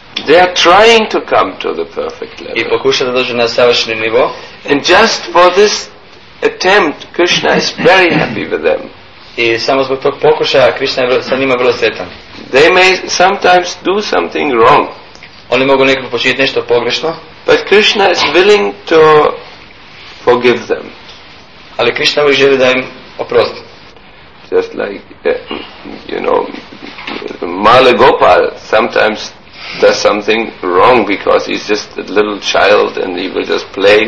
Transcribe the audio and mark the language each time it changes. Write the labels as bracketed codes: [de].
[en] They are trying to come to the perfect level. [hr] I pokušaju da dođu na savršeni nivo. [en] And just for this attempt, Krishna is very happy with them. [hr] I samo zbog tog pokušaja Krishna je sa njima vrlo sretan. [en] They may sometimes do something wrong. [hr] Oni mogu nekako počiniti nešto pogrešno. [en] But Krishna is willing to forgive them. [hr] Ali Krishna bi želi da im oprosti. [en] Just like, you know, Mala Gopal sometimes does something wrong because he's just a little child and he will just play.